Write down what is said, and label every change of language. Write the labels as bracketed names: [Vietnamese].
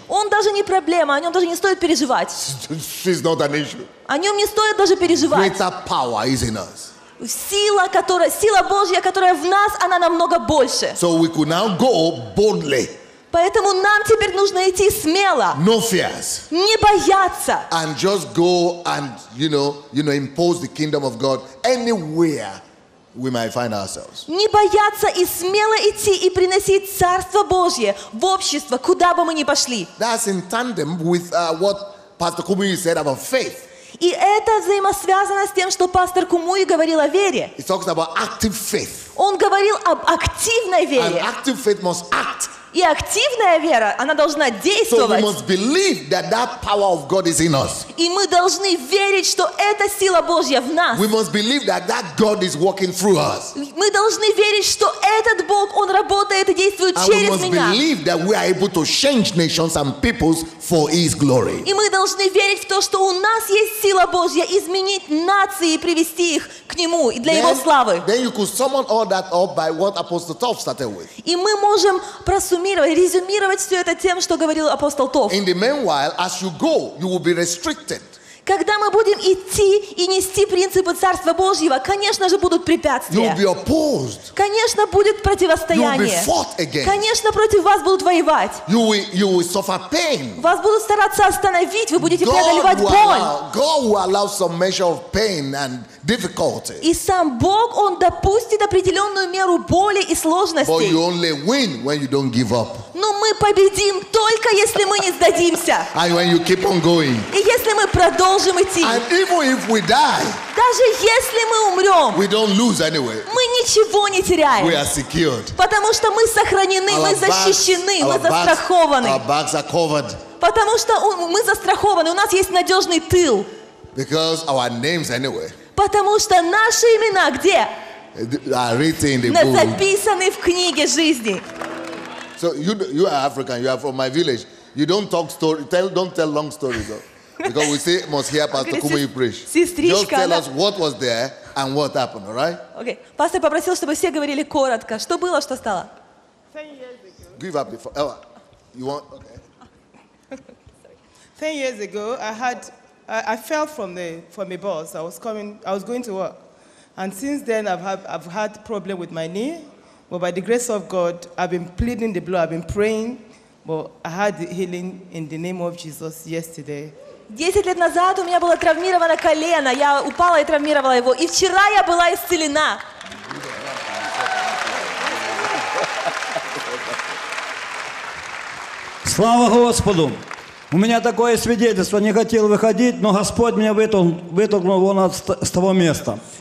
[Russian] Он даже не проблема, о нем даже не стоит переживать. [English] It's not an issue. [Russian] О нем не стоит даже переживать. [English] Greater power is in us. [Russian] Сила Божья, которая в нас, она намного больше. [English] So we could now go boldly. [Russian] Поэтому нам теперь нужно идти смело. [English] No fears. [Russian] Не бояться. [English] And just go and, you know, impose the kingdom of God anywhere we might find ourselves. [Russian] Не бояться и смело идти и приносить Царство Божье в общество, куда бы мы ни пошли. [English] That's in tandem with what Pastor Kumuyi said about faith. [Russian] И это взаимосвязано с тем, что пастор Кумуи говорил о вере. [English] He talks about active faith. [Russian] Он говорил об активной вере. [English] And active faith must act. [Russian] И активная вера, она должна действовать. [English] So we must believe that that power of God is in us. [Russian] И мы должны верить, что эта сила Божья в нас. [English] We must believe that that God is working through us. [Russian] Мы должны верить, что этот Бог, он работает и действует через меня. [English] And we must believe that we are able to change nations and peoples for His glory. [Russian] И мы должны верить в то, что у нас есть сила Божья изменить нации и привести их к Нему и для Его славы. [English] Then you could summon all that up by what Apostle Toff started with. [Russian] И мы можем суммировать, резюмировать все это тем, что говорил апостол Тов. [English] In the meanwhile, as you go, you will be restricted. [Russian] Когда мы будем идти и нести принципы Царства Божьего, конечно же, будут препятствия. [English] You will be opposed. [Russian] Конечно, будет противостояние. [English] You will be fought against. [Russian] Конечно, против вас будут воевать. [English] You will suffer pain. [Russian] Вас будут стараться остановить, вы будете преодолевать боль. [English] God will allow some measure of pain and difficulty. [Russian] И сам Бог, Он допустит определенную меру боли и сложностей. [English] But you only win when you don't give up. [Russian] Но мы победим только, если мы не сдадимся. [English] And when you keep on going. [Russian] И если мы продолжим идти. [English] And even if we die, [Russian] даже если мы умрем, [English] we don't lose anyway. [Russian] Мы ничего не теряем. [English] We are secured. [Russian] Потому что мы сохранены, [English] our [Russian] мы защищены, мы застрахованы. [English] Our backs are covered. [Russian] Потому что мы застрахованы, у нас есть надежный тыл. [English] Because our names anyway. [Russian] Потому что наши имена где? Записаны в книге жизни. [English] So you are African, you are from my village. You don't talk story, don't tell long stories though. Because we say must hear Pastor Kumuyi preach. [Russian] Сестричка, [English] just tell us what was there and what happened, all right? Okay. [Russian] Пастор попросил, чтобы все говорили коротко. Что было, что стало? [English] Give up before. Oh, you want? Okay. 10 years ago, I fell from a bus. I was going to work, and since then I've had problem with my knee. But by the grace of God, I've been pleading the blood. I've been praying, but I had the healing in the name of Jesus yesterday. [Russian] 10 лет назад у меня было травмировано колено. Я упала и травмировала его. И вчера я была исцелена. Слава Господу. У меня такое свидетельство, не хотел выходить, но Господь меня вытолкнул вон с того места.